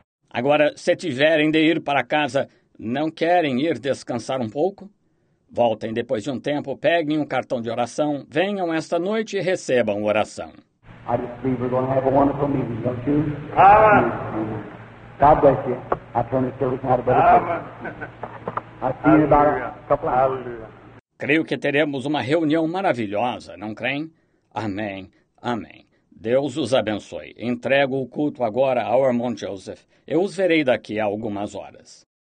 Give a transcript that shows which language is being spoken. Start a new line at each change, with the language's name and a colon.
Portuguese: Agora, se tiverem de ir para casa, não querem ir descansar um pouco? Voltem depois de um tempo, peguem um cartão de oração, venham esta noite e recebam oração.
English: I just believe we're going to have a wonderful meeting, don't you? Amen. God bless you. I turn the service out of better. Amen. I'll see you about a couple of hours.
Portuguese: Creio que teremos uma reunião maravilhosa, não creem? Amém. Amém. Deus os abençoe. Entrego o culto agora ao irmão Joseph. Eu os verei daqui a algumas horas.